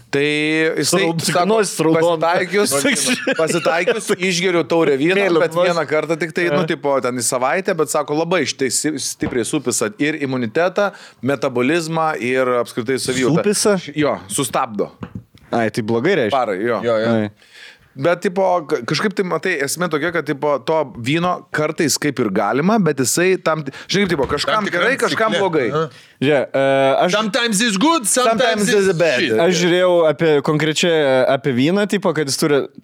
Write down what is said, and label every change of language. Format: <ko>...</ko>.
<lt>Tai jisai, pasitaikius, išgeriu taurę vyną, bet vieną kartą tik tai, nu, tipo, ten į savaitę, bet sako, labai štai stipriai supisa ir imunitetą, metabolizmą ir apskritai savijutą. Supisa? Jo, sustabdo. Ai, tai blogai reiškia. Parai, jo. Bet, tipo, kažkaip tai, matai, esmė tokia, kad, tipo, to vyno kartais kaip ir galima, bet jisai tam... Žinai, tipo, kažkam gerai, kažkam blogai. Aš...</lt> <en>Sometimes it's good, sometimes it's bad.</en> <lt>Aš žiūrėjau apie, konkrečiai apie vyną, tipo, kad jis turi...</lt>